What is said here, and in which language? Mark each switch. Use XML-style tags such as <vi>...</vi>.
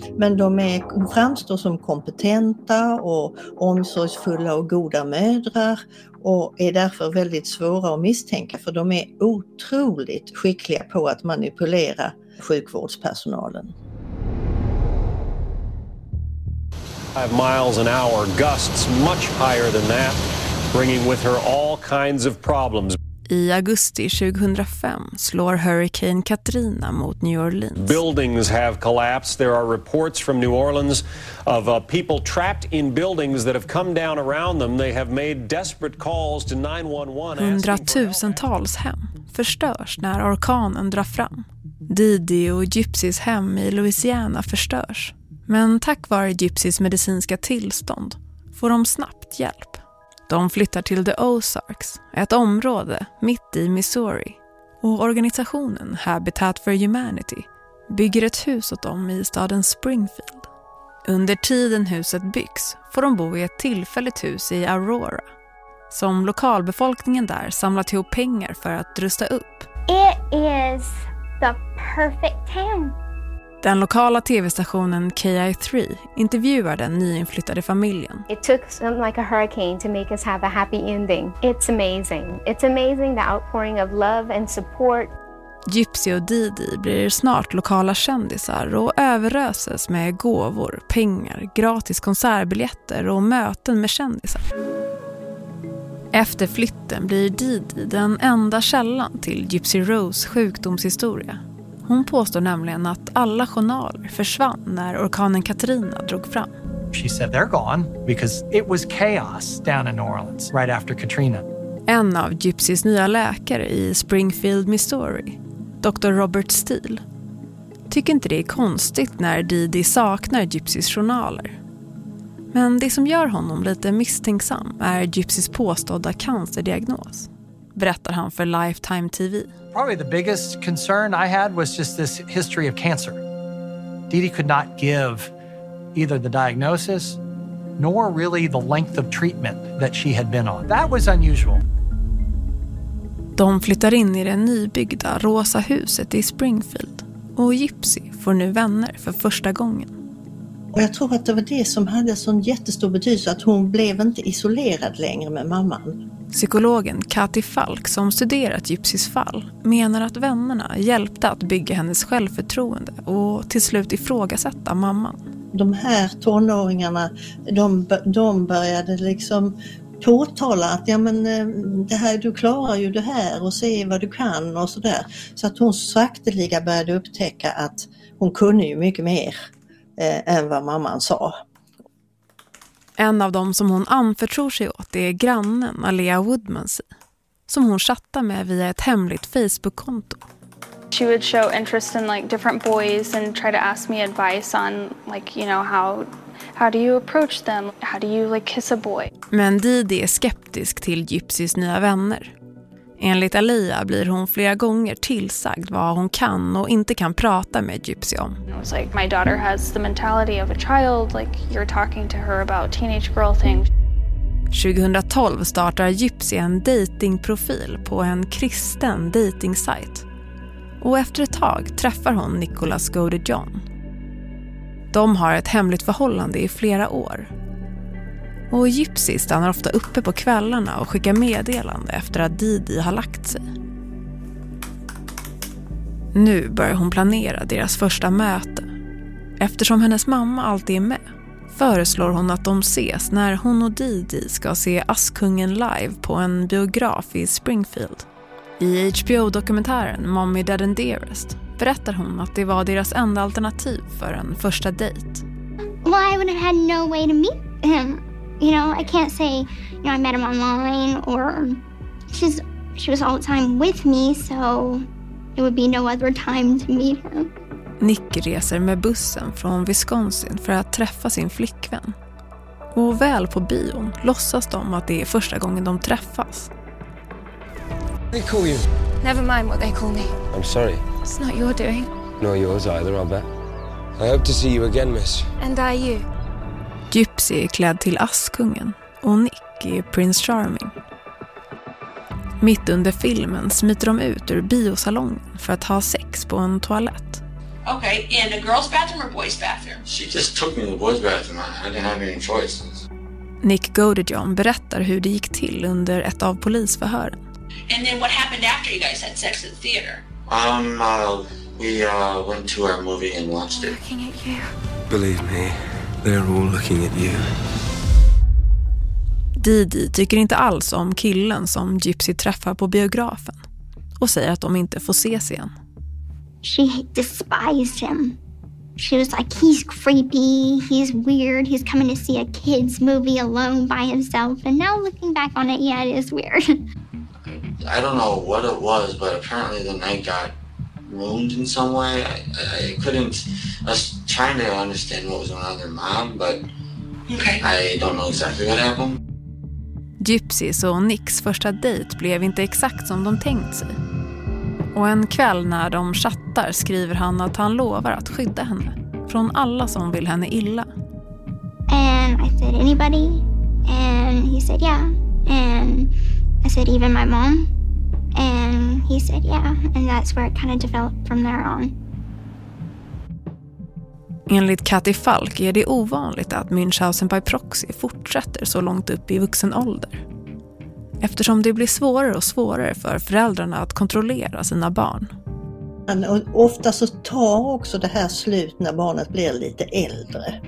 <sv>Men de är framstår som kompetenta och omsorgsfulla och goda mödrar. Och är därför väldigt svåra att misstänka, för de är otroligt skickliga på att manipulera sjukvårdspersonalen.</sv> <en>Five miles an hour, gusts much higher than that, bringing with her all kinds of problems.</en> <sv>I augusti 2005 slår Hurricane Katrina mot New Orleans.</sv> <en>Buildings have collapsed. There are reports from New Orleans of people trapped in buildings that have come down around them. They have made desperate calls to 911.</en> <sv>Hundratusentals hem förstörs när orkanen drar fram. Didi och Gypsys hem i Louisiana förstörs. Men tack vare Gypsys medicinska tillstånd får de snabbt hjälp. De flyttar till The Ozarks, ett område mitt i Missouri. Och organisationen Habitat for Humanity bygger ett hus åt dem i staden Springfield. Under tiden huset byggs får de bo i ett tillfälligt hus i Aurora. Som lokalbefolkningen där samlat ihop pengar för att rusta upp.</sv> <en>It is the perfect town.</en> <sv>Den lokala tv-stationen KI3 intervjuar den nyinflyttade familjen.</sv> <en>It took something like a hurricane to make us have a happy ending. It's amazing. It's amazing the outpouring of love and support.</en> <sv>Gypsy och Didi blir snart lokala kändisar och överröses med gåvor, pengar, gratis konsertbiljetter och möten med kändisar. Efter flytten blir Didi den enda källan till Gypsy Rose sjukdomshistoria. Hon påstår nämligen att alla journaler försvann när orkanen Katrina drog fram.</sv> <en>She said they're gone because it was chaos down in New Orleans right after Katrina.</en> <sv>En av Gypsys nya läkare i Springfield, Missouri, Dr. Robert Steele, tycker inte det är konstigt när Didi saknar Gypsys journaler. Men det som gör honom lite misstänksam är Gypsys påstådda cancerdiagnos, berättar han för Lifetime TV.</sv> <en>Probably the biggest concern I had was just this history of cancer. Didi could not give either the diagnosis nor really the length of treatment that she had been on. That was unusual.</en> <sv>De flyttar in i det nybyggda rosa huset i Springfield och Gypsy får nu vänner för första gången. Och jag tror att det var det som hade sån jättestor betydelse att hon blev inte isolerad längre med mamman. Psykologen Kathy Falk som studerat Gypsys fall menar att vännerna hjälpte att bygga hennes självförtroende och till slut ifrågasätta mamman. De här tonåringarna, de började liksom påtala att ja, men, det här, du klarar ju det här och se vad du kan och sådär. Så att hon sakteliga började upptäcka att hon kunde ju mycket mer än vad mamman sa. En av dem som hon anförtror sig åt är grannen Alea Woodmansey, som hon chattar med via ett hemligt Facebook-konto.</sv> <en>She would show interest in like different boys and try to ask me advice on like, you know, how do you approach them? How do you like kiss a boy?</en> <sv>Men Didi är skeptisk till Gypsys nya vänner. Enligt Alea blir hon flera gånger tillsagd vad hon kan och inte kan prata med Gypsy om.</sv> <en>It was like my daughter has the mentality of a child, like you're talking to her about teenage girl things.</en> <sv>2012 startar Gypsy en datingprofil på en kristen datingsite. Och efter ett tag träffar hon Nicholas Godejohn. De har ett hemligt förhållande i flera år. Och Gypsy stannar ofta uppe på kvällarna och skickar meddelande efter att Didi har lagt sig. Nu börjar hon planera deras första möte. Eftersom hennes mamma alltid är med föreslår hon att de ses när hon och Didi ska se Askungen live på en biograf i Springfield. I HBO-dokumentären Mommy, Dad and Dearest berättar hon att det var deras enda alternativ för en första dejt.</sv> <en>Well, I would have had no way to meet him. You know, I can't say, you know, I met him online or she was all the time with me, so it would be no other time to meet him.</en> <sv>Nick reser med bussen från Wisconsin för att träffa sin flickvän. Och väl på bion låtsas de att det är första gången de träffas.</sv> <en>They call you. Never mind what they call me. I'm sorry. It's not your doing. Not yours either, I bet. I hope to see you again, miss. And I you.</en> <sv>Gypsy är klädd till Askungen och Nick är Prince Charming. Mitt under filmen smiter de ut ur biosalongen för att ha sex på en toalett.</sv> <en>Okay, in the girls' bathroom or boys' bathroom? She just took me to the boys' bathroom. I didn't have any choices.</en> <sv>Nick Godejohn berättar hur det gick till under ett av polisförhören.</sv> <en>And then what happened after you guys had sex at the theater? We went to our movie and watched it. Looking at you. Believe me, they're all looking at you.</en> <sv>Didi tycker inte alls om killen som Gypsy träffar på biografen och säger att de inte får ses igen.</sv> <en>She despised him. She was like, he's creepy, he's weird, he's coming to see a kid's movie alone by himself. And now looking back on it, yeah, it is weird. I don't know what it was, but apparently the night got ruined in some way. I was trying to understand what was going on with her mom, but okay. I don't know exactly what happened.</en> <sv>Gypsys och Nicks första dejt blev inte exakt som de tänkt sig. Och en kväll när de chattar skriver han att han lovar att skydda henne från alla som vill henne illa.</sv> <en>And I said anybody, and he said yeah, and I said even my mom, and he said yeah, and that's where it kind of developed from there on.</en> <sv>Enligt Kathy Falk är det ovanligt att Münchhausen by proxy fortsätter så långt upp i vuxen ålder. Eftersom det blir svårare och svårare för föräldrarna att kontrollera sina barn. Ofta så tar också det här slut när barnet blir lite äldre.</sv>